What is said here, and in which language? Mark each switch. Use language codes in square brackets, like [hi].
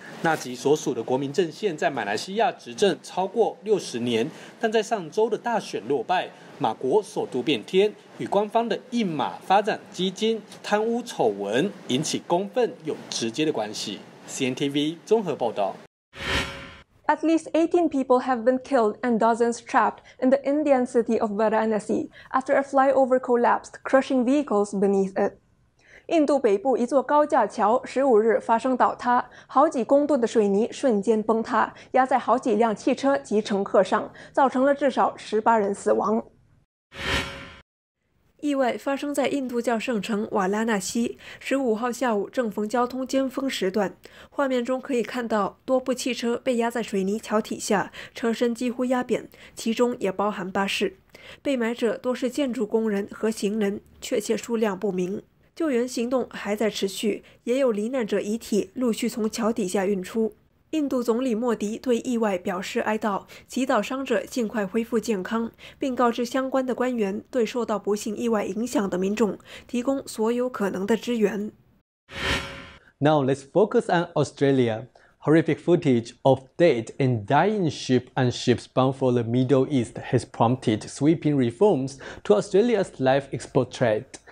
[zh] 纳吉所属的国民阵线在马来西亚执政超过60年，但在上周的大选落败，马国首都变天，与官方的印马发展基金贪污丑闻引起公愤有直接的关系。 CNTV 综合报道。 [en] At least 18 people have been killed and dozens trapped in the Indian city of Varanasi after a flyover collapsed, crushing vehicles beneath it. [zh] 印度北部一座高架桥15日发生倒塌，好几公吨的水泥瞬间崩塌，压在好几辆汽车及乘客上，造成了至少18人死亡。意外发生在印度教圣城瓦拉纳西，15号下午正逢交通尖峰时段，画面中可以看到多部汽车被压在水泥桥体下，车身几乎压扁，其中也包含巴士。被埋者多是建筑工人和行人，确切数量不明。救援行动还在持续，也有罹难者遗体陆续从桥底下运出。印度总理莫迪对意外表示哀悼，祈祷伤者尽快恢复健康，并告知相关的官员对受到不幸意外影响的民众提供所有可能的支援。 [en] Now let's focus on Australia. Horrific footage of dead and dying sheep and ships bound for the Middle East has prompted sweeping reforms to Australia's live export trade.